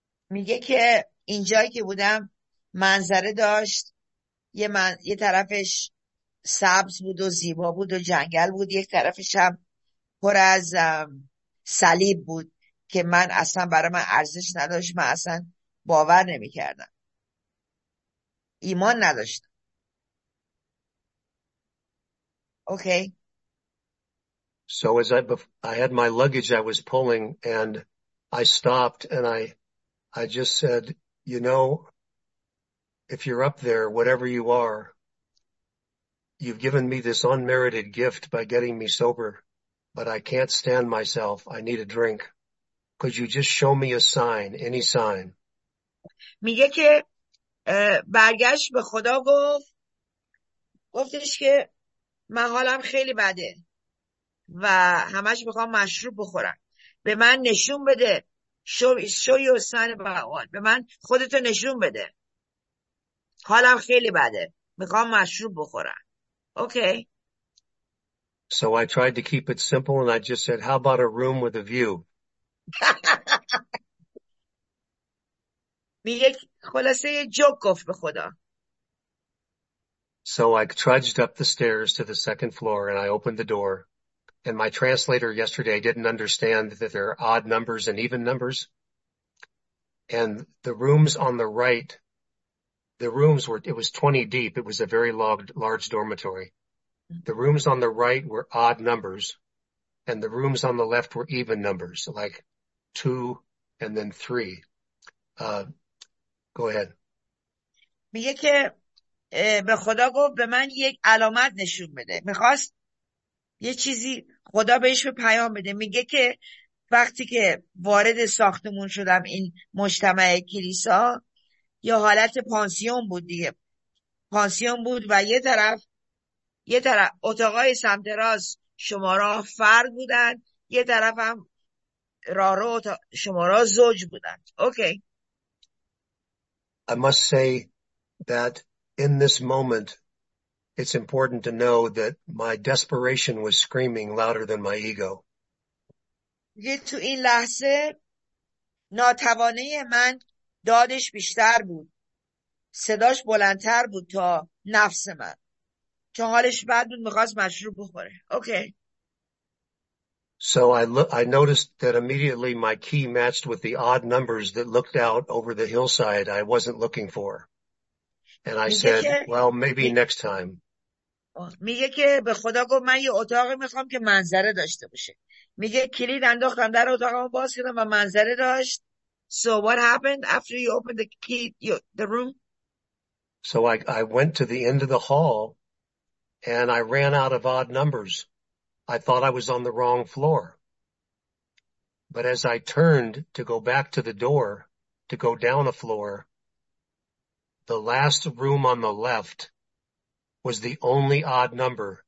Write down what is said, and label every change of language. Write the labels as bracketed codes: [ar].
[fa] میگه که اینجایی که بودم منظره داشت، یه طرفش سبز بود و زیبا بود و جنگل بود، یک طرفش هم پر از صلیب بود که من اصلا برای من ارزش نداشت، من اصلا باور نمی کردم، ایمان نداشتم. [en] Okay. So as I had my luggage I was pulling and I stopped and I just said, you know, if you're up there, whatever you are, you've given me this unmerited gift by getting me sober, but I can't stand myself. I need a drink. Could you just show me a sign, any sign? [fa] میگه که برگشت به خدا گفت، گفتش که من حالم خیلی بده و همش میخوام مشروب بخورم. به من نشون بده. شوی و سن بقال به من خودتو نشون بده، حالم خیلی بده، میخوام مشروب بخورم. [en] Okay. So I tried to keep it simple and I just said, how about a room with a view? [fa] میگه خلاصه یه جوک گفت به خدا. [en] So I trudged up the stairs to the second floor and I opened the door. And my translator yesterday didn't understand that there are odd numbers and even numbers. And the rooms on the right, the rooms were, it was 20 deep. It was a very large dormitory. The rooms on the right were odd numbers. And the rooms on the left were even numbers, like 2 and then 3. Go ahead. [fa] میگه که به خدا گفت به من یک علامت نشون بده. میخواست یه چیزی خدا بهش به پیام بده. میگه که وقتی که وارد ساختمون شدم، این مجتمع کلیسا یا حالت پانسیون بود دیگه، پانسیون بود و یه طرف اتاقای سمت راست شمارا فرد بودن، یه طرف هم راه شمارا زوج بودن. [en] Okay. I must say that in this moment, it's important to know that my desperation was screaming louder than my ego. [fa] تو این لحظه ناتوانی من دادش بیشتر بود، صداش بلندتر بود تا نفس من، چون حالش بد بود، میخواست مشروب بخوره. [en] Okay. So I noticed that immediately my key matched with the odd numbers that looked out over the hillside I wasn't looking for. And I said, well, maybe next time. [fa] میگه که به خدا گفت من یه اتاق میخوام که منظره داشته باشه. میگه کلید انداختم در اتاقم باز کردم و منظره داشت. [en] So what happened after you opened the key, the room? So I went to the end of the hall and I ran out of odd numbers. I thought I was on the wrong floor. But as I turned to go back to the door, to go down a floor, the last room on the left was the only odd number.